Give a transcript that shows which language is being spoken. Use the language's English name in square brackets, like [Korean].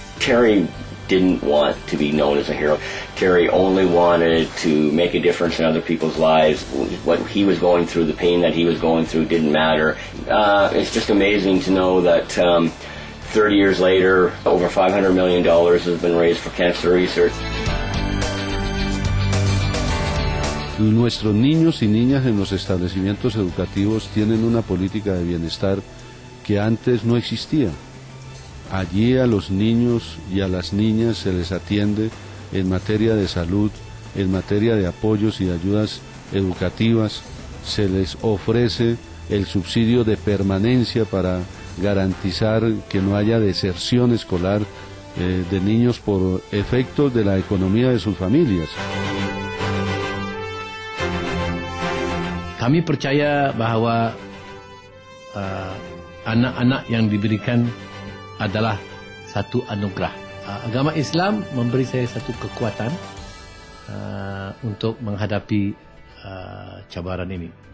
[English] Carrie didn't want to be known as a hero. Carrie only wanted to make a difference in other people's lives. What he was going through, the pain that he was going through, didn't matter. It's just amazing to know that 30 years later, over $500 million has been raised for cancer research. [Spanish] Nuestros niños y niñas en los establecimientos educativos tienen una política de bienestar que antes no existía. Allí a los niños y a las niñas se les atiende en materia de salud, en materia de apoyos y de ayudas educativas, se les ofrece el subsidio de permanencia para garantizar que no haya deserción escolar de niños por efectos de la economía de sus familias. [Malay] Kami percaya bahwa anak-anak yang diberikan adalah satu anugerah. Agama Islam memberi saya satu kekuatan untuk menghadapi cabaran ini.